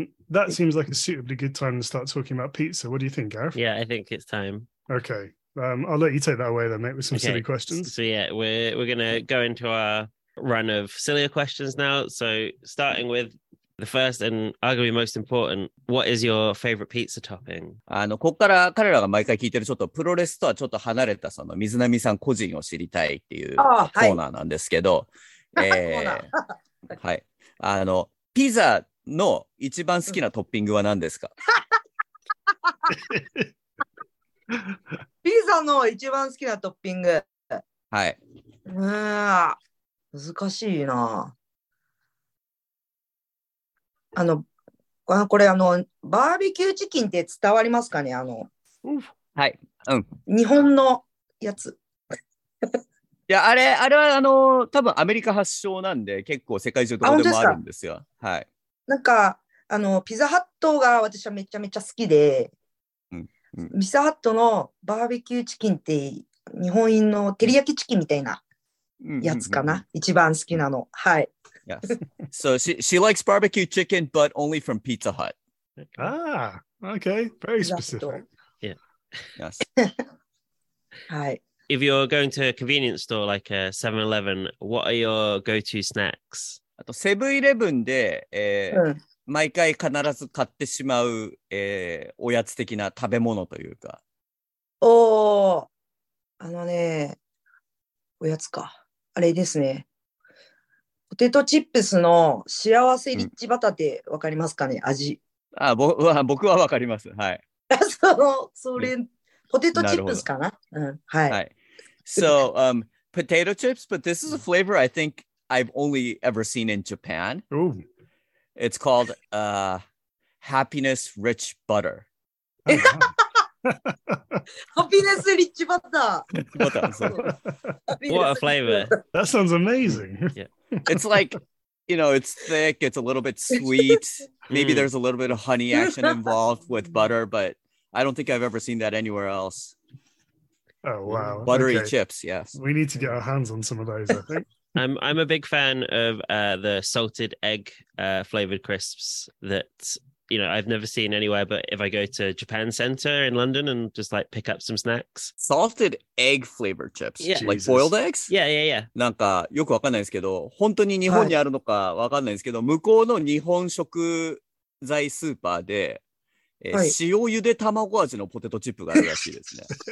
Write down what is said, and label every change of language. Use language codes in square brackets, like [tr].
[en] That seems like a suitably good time to start talking about pizza. What do you think, Gareth? Yeah, I think it's time. Okay. I'll let you take that away then, mate, with some silly questions. So yeah, we're going to go into our run of sillier questions now. So starting with the first and arguably most important, what is your favorite pizza topping? [ja] ここから彼らが毎回聞いてるちょっとプロレスとはちょっと離れたその水波さん個人を知りたいっていうコーナーなんですけど、はい。ピザの一番好きなトッピングは何ですか？ピザの一番好きなトッピング、はい、難しいな。あの、これあの、バーベキューチキンって伝わりますかね、あの、はい、うん、日本のやつ。いや、あれ、あれはあの、多分アメリカ発祥なんで、結構世界中どこでもあるんですよ。はい。なんか、あの、ピザハットが私はめちゃめちゃ好きで、うんうん、ピザハットのバーベキューチキンって、日本人の照り焼きチキンみたいなやつかな、うんうんうん、一番好きなの。はい。 [en] Yes. So she likes barbecue chicken, but only from Pizza Hut. Ah, okay. Very specific. Yeah. Yes. Hi. If you're going to a convenience store like a 7-Eleven, what are your go-to snacks? [ja] あと、セブンイレブンで、毎回必ず買ってしまう、おやつ的な食べ物というか。おー、あのね、おやつか。あれですね。ポテトチップスの幸せリッチバタって分かりますかね、うん、味。あ、僕は分かります。はい。それ、ポテトチップスかな、うん、はい。はい。 [en] So, potato chips, but this is a flavor I think I've only ever seen in Japan.、 Ooh. It's called, Happiness Rich Butter. Happiness Rich Butter! What a flavor. That sounds amazing. Yeah. It's like, you know, it's thick, it's a little bit sweet. Maybe there's a little bit of honey action involved with butter, but I don't think I've ever seen that anywhere else. Oh, wow. Buttery、okay. chips, yes. We need to get our hands on some of those, I think. I'm a big fan of the salted egg flavored crisps that, you know, I've never seen anywhere, but if I go to Japan Center in London and just like pick up some snacks. Salted egg flavored chips? Yeah.、Jesus. Like boiled eggs? Yeah, yeah, yeah. [ja] なんかよくわかんないですけど、本当に日本にあるのかわかんないですけど、向こうの日本食材スーパーで、塩ゆで卵味のポテトチップがあるらしいですね。